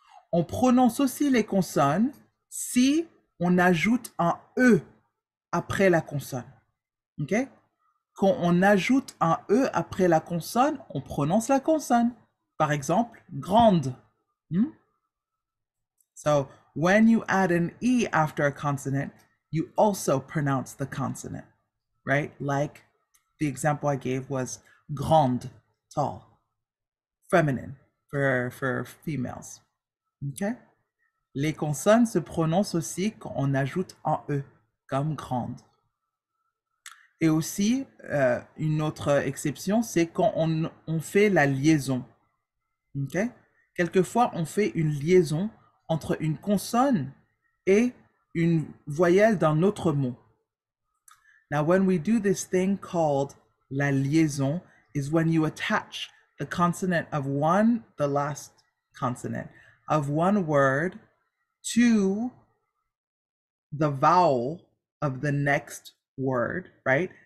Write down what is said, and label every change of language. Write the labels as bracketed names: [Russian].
[French] On prononce aussi les consonnes si on ajoute un E après la consonne. OK? Quand on ajoute un E après la consonne, on prononce la consonne. Par exemple, grande. [English] So, when you add an E after a consonant, you also pronounce the consonant, right? Like the example I gave was grande, tall, feminine for females. OK? [French] Les consonnes se prononcent aussi quand on ajoute un E, comme grande. Et aussi, une autre exception, c'est quand on fait la liaison. OK? Quelquefois, on fait une liaison entre une consonne et une voyelle d'un autre mot. [English] Now, when we do this thing called la liaison, is when you attach the consonant of one, the last consonant, of one word to the vowel of the next word, right?